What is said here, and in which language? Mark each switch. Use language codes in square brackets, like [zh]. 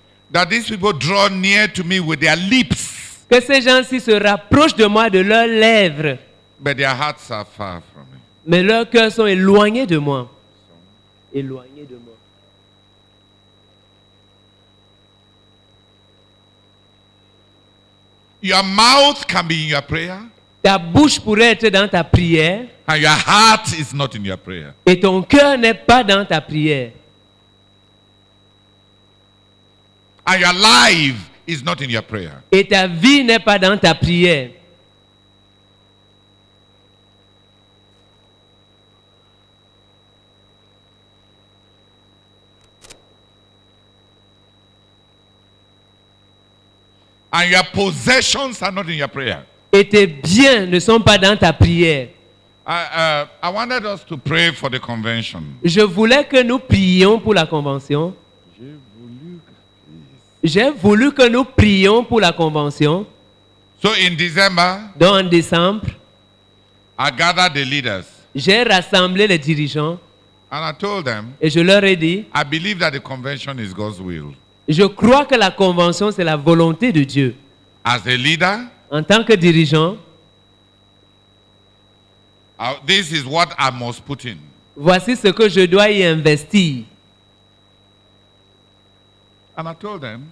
[en] That these people draw near to me with their lips. [fr] Que ces gens-ci se rapprochent de moi de leurs lèvres. [en] But their hearts are far from me. [fr] Mais leurs cœurs sont éloignés de moi. Éloignés de moi. [en] Your mouth can be in your prayer. [fr] Ta bouche pourrait être dans ta prière. [en] And your heart is not in your prayer. [fr] Et ton cœur n'est pas dans ta prière. [en] And your life is not in your prayer. [fr] Et ta vie n'est pas dans ta prière. [en] And your possessions are not in your prayer. [fr] Et tes biens ne sont pas dans ta prière. [en] I wanted us to pray for the convention. [fr] Je voulais que nous prions pour la convention. J'ai voulu que nous prions pour la convention. [en] So in December, [fr] donc en décembre, [en] I gathered the leaders. [fr] J'ai rassemblé les dirigeants. [en] And I told them, [fr] et je leur ai dit, [en] I believe that the convention is God's will. [fr] Je crois que la convention c'est la volonté de Dieu. [en] As a leader, [fr] en tant que dirigeant, [en] this is what I must put in. [fr] Voici ce que je dois y investir. [en] And I told them,